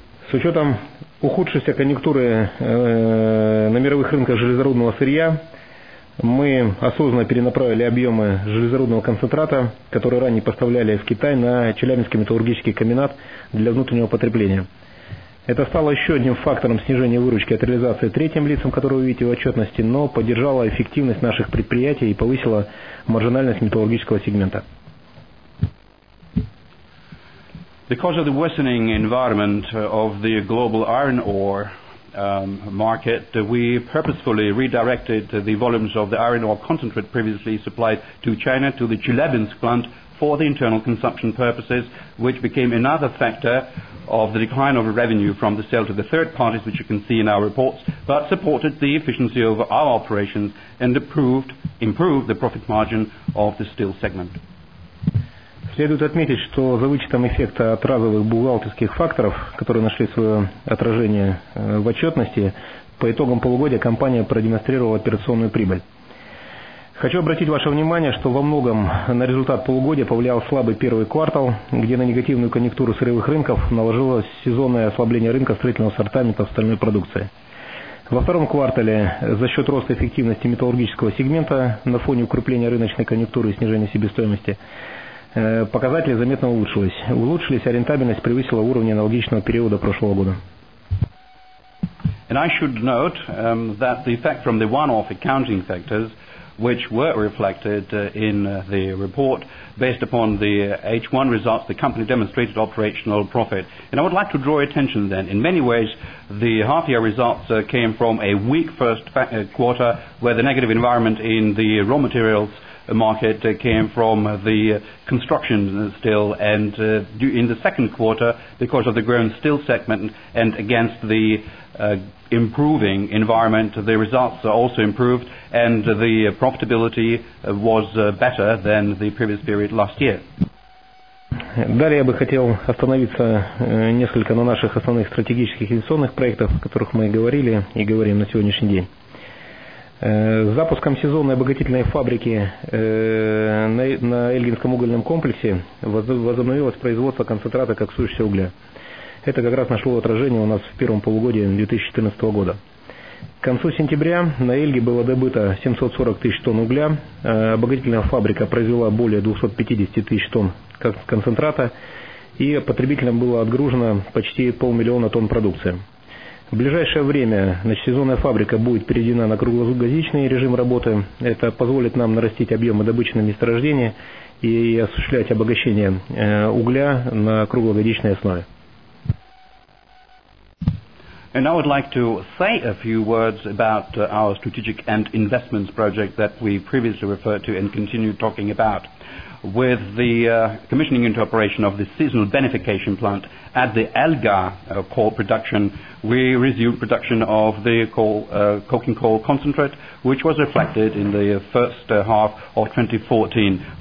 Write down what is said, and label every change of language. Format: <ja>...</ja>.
<ru>С учетом ухудшейся конъюнктуры на мировых рынках железорудного сырья, мы осознанно перенаправили объемы железорудного концентрата, который ранее поставляли в Китай, на Челябинский металлургический комбинат для внутреннего потребления. Это стало еще одним фактором снижения выручки от реализации третьим лицам, которые вы видите в отчетности, но поддержало эффективность наших предприятий и повысило маржинальность металлургического сегмента.</ru> <en>Because of the worsening environment of the global iron ore market, we purposefully redirected the volumes of the iron ore concentrate previously supplied to China to the Chelyabinsk plant for the internal consumption purposes, which became another factor of the decline of revenue from the sale to the third parties, which you can see in our reports, but supported the efficiency of our operations and improved the profit margin of the steel segment.</en> <ru>Следует отметить, что за вычетом эффекта от разовых бухгалтерских факторов, которые нашли свое отражение в отчетности, по итогам полугодия компания продемонстрировала операционную прибыль. Хочу обратить ваше внимание, что во многом на результат полугодия повлиял слабый первый квартал, где на негативную конъюнктуру сырьевых рынков наложилось сезонное ослабление рынка строительного ассортамента стальной продукции. Во втором квартале за счет роста эффективности металлургического сегмента на фоне укрепления рыночной конъюнктуры и снижения себестоимости показатели заметно улучшились, а рентабельность превысила уровни аналогичного периода прошлого года.</ru> <en>And I should note that the effect from the one-off accounting factors, which were reflected in the report based upon the H1 results, the company demonstrated operational profit. And I would like to draw your attention then. In many ways, the half-year results came from a weak first quarter, where the negative environment in the raw materials market came from the construction steel, and in the second quarter, because of the growing steel segment and against the improving environment, the results also improved, and the profitability was better than the previous period last year.</en> <ru>Далее я бы хотел остановиться несколько на наших основных стратегических инвестиционных проектах, о которых мы говорили и говорим на сегодняшний день. С запуском сезонной обогатительной фабрики на Эльгинском угольном комплексе возобновилось производство концентрата коксующегося угля. Это как раз нашло отражение у нас в первом полугодии 2014 года. К концу сентября на Эльге было добыто 740 тысяч тонн угля, обогатительная фабрика произвела более 250 тысяч тонн концентрата, и потребителям было отгружено почти 500 000 тонн продукции. В ближайшее время, значит, сезонная фабрика будет переведена на круглогодичный режим работы. Это позволит нам нарастить объемы добычи на месторождении и осуществлять обогащение угля на круглогодичной основе.</ru> <en>And I would like to say a few words about our strategic and investments project that we previously referred to and continue talking about. With the commissioning into operation of the seasonal beneficiation plant at the Elgar coal production, we resumed production of the coking coal concentrate, which was reflected in the first half of 2014.</en>